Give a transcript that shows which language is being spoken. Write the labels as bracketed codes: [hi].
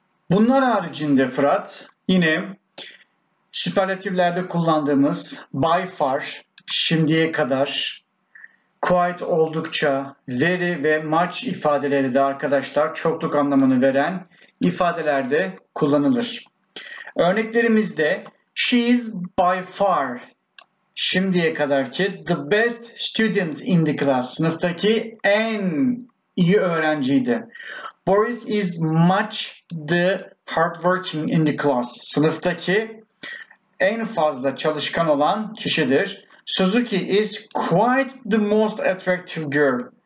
[tr] Bunlar haricinde Fırat, yine süperlatiflerde kullandığımız by far, şimdiye kadar, quite oldukça, very ve much ifadeleri de arkadaşlar çokluk anlamını veren ifadelerde kullanılır. Örneklerimizde [en] she is by far [tr] şimdiye kadarki [en] the best student in the class. [tr] Sınıftaki en iyi öğrenciydi. [en] Boris is much the hardworking in the class. [tr] Sınıftaki en fazla çalışkan olan kişidir. [en] Suzuki is quite the most attractive girl.